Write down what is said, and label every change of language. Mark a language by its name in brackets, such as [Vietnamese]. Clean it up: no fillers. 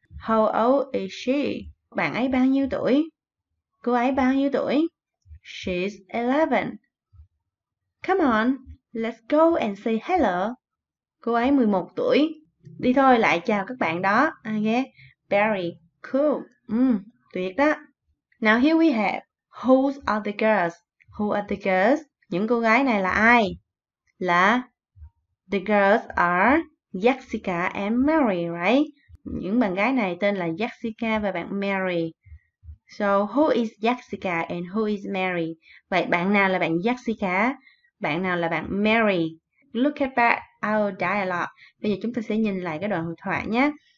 [English] How old is she? [Vietnamese] Bạn ấy bao nhiêu tuổi? Cô ấy bao nhiêu tuổi? [English] She's 11. Come on, let's go and say hello. [Vietnamese] Cô ấy 11 tuổi. Đi thôi, lại chào các bạn đó. [English] Okay. Barry, cool. [Vietnamese] Tuyệt đó. [English] Now here we have, who are the girls? Who are the girls? [Vietnamese] Những cô gái này là ai? Là, [English] the girls are Jessica and Mary, right? [Vietnamese] Những bạn gái này tên là Jessica và bạn Mary. [English] So, who is Jessica and who is Mary? [Vietnamese] Vậy bạn nào là bạn Jessica? Bạn nào là bạn Mary? [English] Look at back our dialogue. [Vietnamese] Bây giờ chúng ta sẽ nhìn lại cái đoạn hội thoại nhé.